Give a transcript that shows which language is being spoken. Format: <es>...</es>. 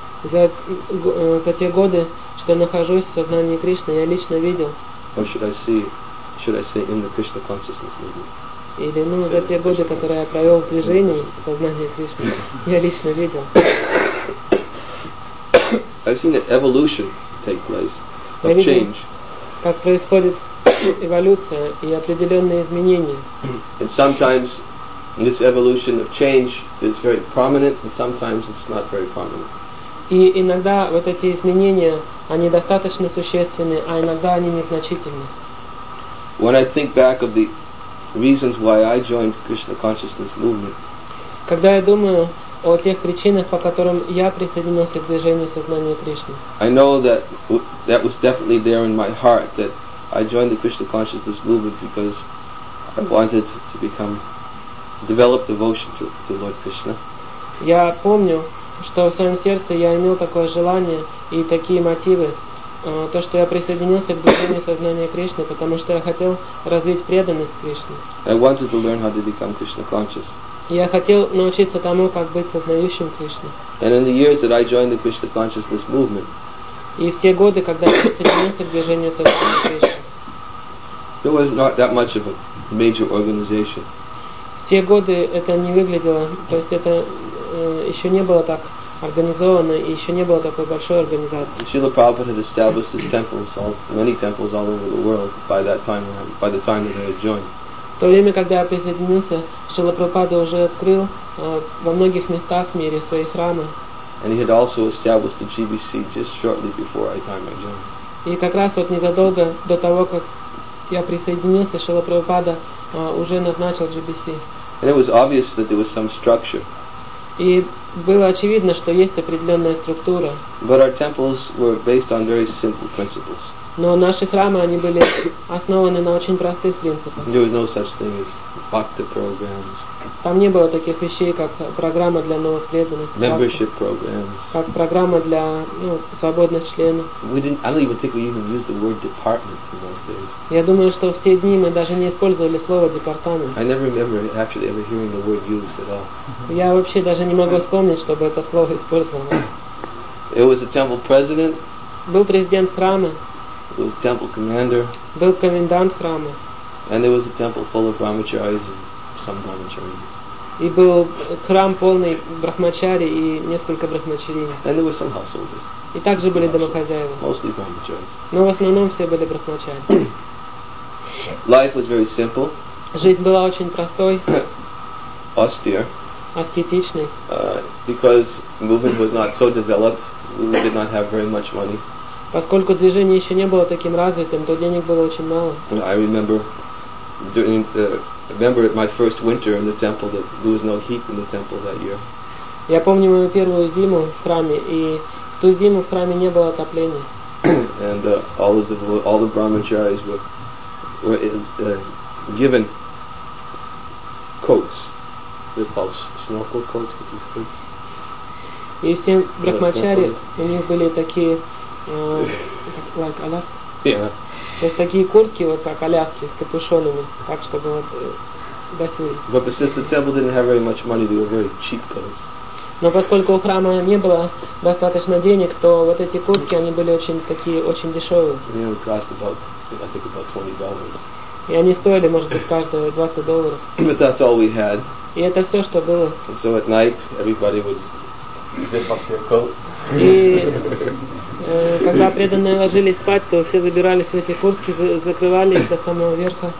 <ru>За те годы, что я нахожусь в сознании Кришны, я лично видел.</ru> <en>Or should I see? Should I say in the Krishna consciousness movement?</en> <ru>Или за те годы, которые я провел в движении сознания Кришны, я лично видел.</ru> <en>I've seen an evolution take place of change.</en> <ru>Как происходит эволюция и определенные изменения.</ru> <en>And sometimes this evolution of change is very prominent, and sometimes it's not very prominent.</en> <ru>И иногда вот эти изменения они достаточно существенны, а иногда они незначительны.</ru> <en>When I think back of the reasons why I joined Krishna consciousness movement.</en> <ru>Когда я думаю о тех причинах, по которым я присоединился к движению сознания Кришны.</ru> <en>I know that that was definitely there in my heart that I joined the Krishna consciousness movement because I wanted to become develop devotion to Lord Krishna.</en> <ru>Я помню, что в своем сердце я имел такое желание и такие мотивы. То, что я присоединился к движению сознания Кришны, потому что я хотел развить преданность Кришне.</ru> <en>I wanted to learn how to become Krishna conscious.</en> <ru>Я хотел научиться тому, как быть сознающим Кришне.</ru> <en>And in the years that I joined the Krishna consciousness movement.</en> <ru>И в те годы, когда я присоединился к движению сознания Кришны.</ru> <en>There was not that much of a major organization.</en> <ru>В те годы это не выглядело, то есть это еще не было так организовано и еще не было такой большой организации.</ru> <en>Srila Prabhupada had established his temples, many temples all over the world by the time that I had joined.</en> <ru>В то время, когда я присоединился, Srila Prabhupada уже открыл во многих местах в мире свои храмы.</ru> <en>And he had also established the GBC just shortly before the time I joined.</en> <ru>И как раз вот незадолго до того, как я присоединился, Srila Prabhupada уже назначил GBC.</ru> <en>And it was obvious that there was some structure.</en> <ru>И было очевидно, что есть определенная структура.</ru> <en>But our temples were based on very simple principles.</en> <ru>Но наши храмы они были основаны на очень простых принципах.</ru> <en>There was no such thing as bhakti programs.</en> <ru>Там не было таких вещей, как программа для новых преданных.</ru> <en>Membership programs.</en> <ru>Как программа для свободных членов.</ru> <en>I don't even think we even used the word department in those days.</en> <ru>Я думаю, что в те дни мы даже не использовали слово департамент.</ru> <en>I never remember actually ever hearing the word used at all.</en> <ru>Я вообще даже не могу вспомнить, чтобы это слово использовано.</ru> <en>It was a temple president.</en> <ru>Был президент храма.</ru> <en>It was a temple commander.</en> <ru>Был комендант храма.</ru> <en>And there was a temple full of brahmacharis and some brahmacharis.</en> <ru>И был храм полный брахмачари и несколько брахмачарини.</ru> <en>And there were some householders.</en> <ru>И также были домохозяева. Но в основном все были брахмачари.</ru> <en>Life was very simple.</en> <ru>Жизнь была очень простой.</ru> <en>Austere.</en> <ru>Аскетичной.</ru> <en>Because movement was not so developed, we did not have very much money.</en> <ru>Поскольку движение еще не было таким развитым, то денег было очень мало.</ru> <en>I remember during my first winter in the temple that there was no heat in the temple that year.</en> <ru>Я помню мою первую зиму в храме, и в ту зиму в храме не было отопления.</ru> <en>And all the brahmacharis were given coats. They're called snorkel coats, which is good.</en> <ru>И все брахмачари, у них были такие</ru> <en>like Alaska. Yeah.</en> <ru>То есть такие куртки, вот как аляски, с капюшонами, так чтобы вот басили.</ru> <en>But since the temple didn't have very much money, they were very cheap clothes.</en> <ru>Но поскольку у храма не было достаточно денег, то вот эти куртки, они были очень такие, очень дешевые.</ru> <en>They only cost about $20.</en> <ru>И они стоили, может быть, каждое $20.</ru> <en>But that's all we had.</en> <ru>И это все, что было.</ru> <en>And so at night, everybody would zip up their coat.</en> <ru>И когда преданные ложились спать, то все забирались в эти куртки, закрывали их до самого верха.</ru>